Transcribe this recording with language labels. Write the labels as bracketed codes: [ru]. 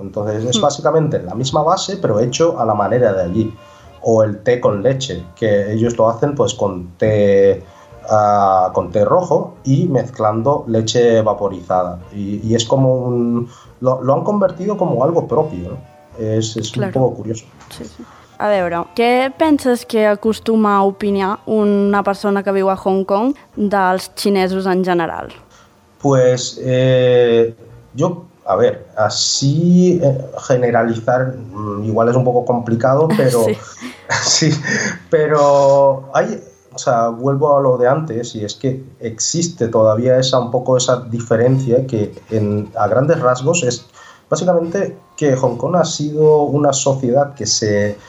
[es] Entonces es básicamente la misma base, pero hecho a la manera de allí. O el té con leche, que ellos lo hacen pues con té rojo y mezclando leche vaporizada. Y es como un... Lo han convertido como algo propio, ¿no? Es claro. Un poco curioso. Sí, sí. [ca] A veure, què penses que acostuma a opinar una persona que viu a Hong Kong dels xinesos en general? [es] Pues yo, a ver, así generalizar igual es un poco complicado, pero sí. Sí, pero hay, o sea, vuelvo a lo de antes, y es que existe todavía esa un poco esa diferencia que a grandes rasgos es básicamente que Hong Kong ha sido una sociedad que se...